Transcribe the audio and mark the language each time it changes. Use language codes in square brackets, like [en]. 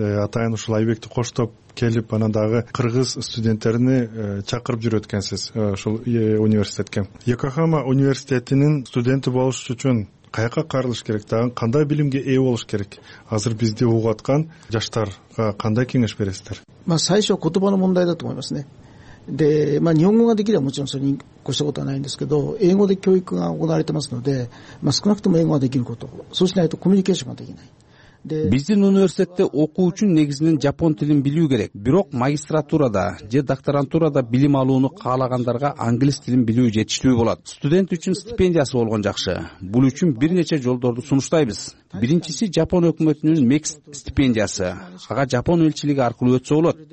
[ky] Атайын ушул Айбекти коштоп келип, анан дагы кыргыз студенттерини чакырып жүрөт экенсиз ушул университетке. Йокохама университетинин студенти болуш үчүн каяка карылыш керек, дагы кандай билимге ээ болуш керек? Азыр бизди угуп аткан жаштарга кандай кеңеш бересиздер? Сайшо кутубану мындай деп ойлоймун мен. [ja] で、まあ日本語ができればもちろんそれに越したことはないんですけど、英語で教育が行われてますので、まあ少なくとも英語ができること、そうしないとコミュニケーションができない。 [ky] Биздин университетте окуу үчүн негизинен жапон тилин билүү керек. Бирок магистратурада же докторантурада билим алууну каалагандарга англис тилин билүү жетиштүү болот. Студент үчүн стипендиясы болгон жакшы. Бул үчүн бир нече жолдорду сунуштайбыз. Биринчиси жапон өкмөтүнүн МЕКС стипендиясы. Ага жапон элчилиги аркылуу өтсө болот.